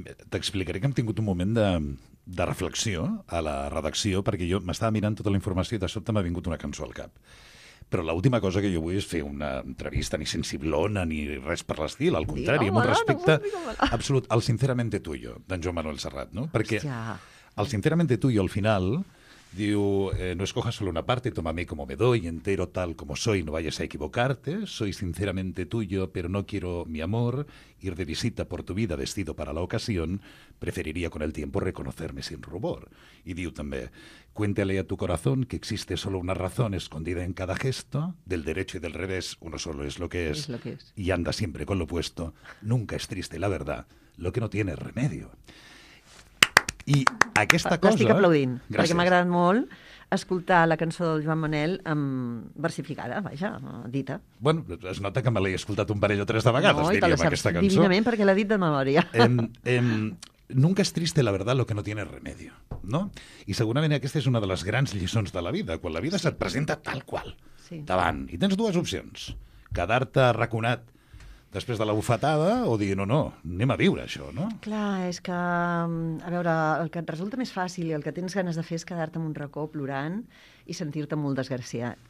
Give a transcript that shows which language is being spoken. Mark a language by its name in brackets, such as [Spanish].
[Catalan] T'explicaré que hem tingut un moment de reflexió a la redacció, perquè jo m'estava mirant tota la informació i de sobte m'ha vingut una cançó al cap. Però l'última cosa que jo vull és fer una entrevista ni sensiblona ni res per l'estil, al contrari, amb un respecte absolut al Sinceramente Tuyo, d'en Joan Manuel Serrat, no? Perquè hòstia. El Sinceramente Tuyo, al final, [Spanish] Diu, no escojas solo una parte, tómame como me doy, entero tal como soy, no vayas a equivocarte, soy sinceramente tuyo, pero no quiero mi amor, ir de visita por tu vida vestido para la ocasión, preferiría con el tiempo reconocerme sin rubor. Y [Catalan] diu també, [Spanish] cuéntale a tu corazón que existe solo una razón escondida en cada gesto, del derecho y del revés, uno solo es lo que es, y anda siempre con lo opuesto, nunca es triste la verdad, lo que no tiene remedio. [Catalan] I aquesta cosa... L'estic aplaudint, gràcies, perquè m'ha agradat molt escoltar la cançó del Joan Manel amb versificada, vaja, dita. Bueno, es nota que me l'he escoltat un parell o tres de vegades, no, diríem, aquesta cançó. Divinament, perquè l'ha dit de memòria. [Spanish] Nunca es triste la verdad lo que no tiene remedio, no? [Catalan] I segurament aquesta és una de les grans lliçons de la vida, quan la vida se't presenta tal qual, davant. I tens dues opcions. Quedar-te arraconat després de la bufetada, o dir, no, no, anem a viure això, no? Clar, és que, a veure, el que et resulta més fàcil i el que tens ganes de fer és quedar-te en un racó plorant i sentir-te molt desgraciat.